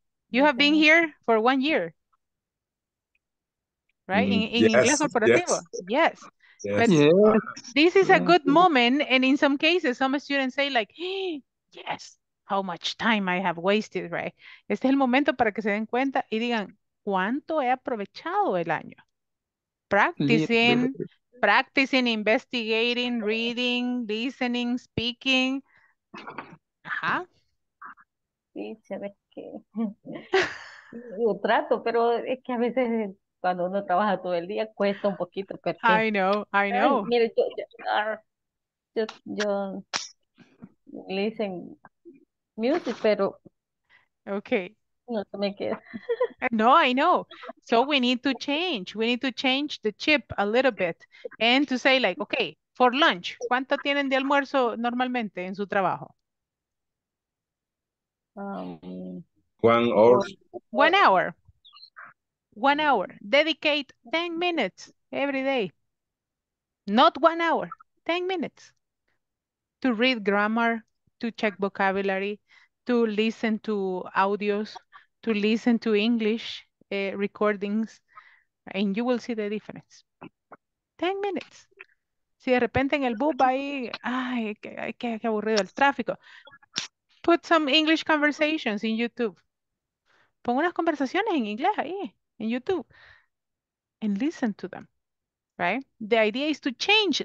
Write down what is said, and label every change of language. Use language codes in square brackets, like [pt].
[en] You have been here for 1 year. Right? In yes, inglés corporativo. Yes. Yes. Yes. This is a good moment. And in some cases, some students say like, hey, yes, how much time I have wasted, right? [es] Este es el momento para que se den cuenta y digan, ¿cuánto he aprovechado el año? [en] Practicing, investigating, reading, listening, speaking. Ajá. [es] Sí, se ve que... Yo trato, pero es que a veces... Cuando uno trabaja todo el día, cuesta un poquito. Porque... [en] I know. [es] Mire, yo [en] listen music, [es] pero... [en] Okay. [es] No se me queda. [en] No, I know. So we need to change. We need to change the chip a little bit. And to say like, okay, for lunch, [es] ¿cuánto tienen de almuerzo normalmente en su trabajo? [en] One hour. Dedicate 10 minutes every day. Not 1 hour, 10 minutes. To read grammar, to check vocabulary, to listen to audios, to listen to English recordings, and you will see the difference. 10 minutes. [es] Si de repente en el bus va ahí, ay, qué aburrido el tráfico. [en] Put some English conversations in YouTube. [es] Pon unas conversaciones en inglés ahí, en YouTube. [en] And listen to them, right? The idea is to change.